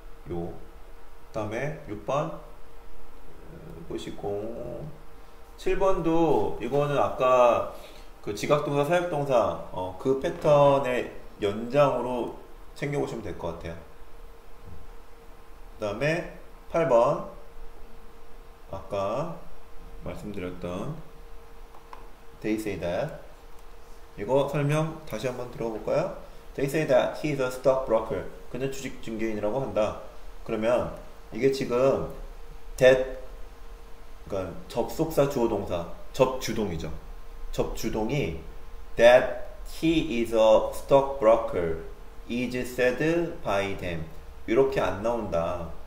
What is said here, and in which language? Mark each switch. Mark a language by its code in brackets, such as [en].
[ko] 요 다음에 6번 보시고 7번도 이거는 아까 그 지각동사 사역동사 그 패턴의 연장으로 챙겨 보시면 될것 같아요. 그다음에 8번 아까 말씀드렸던 they say that 이거 설명 다시 한번 들어볼까요? [en] They say that he is a stock broker. [ko] 그는 주식 중개인이라고 한다. 그러면 이게 지금 that 그러니까 접속사 주어동사 접주동이죠. 접주동이 [en] that he is a stock broker is said by them [ko] 이렇게 안 나온다.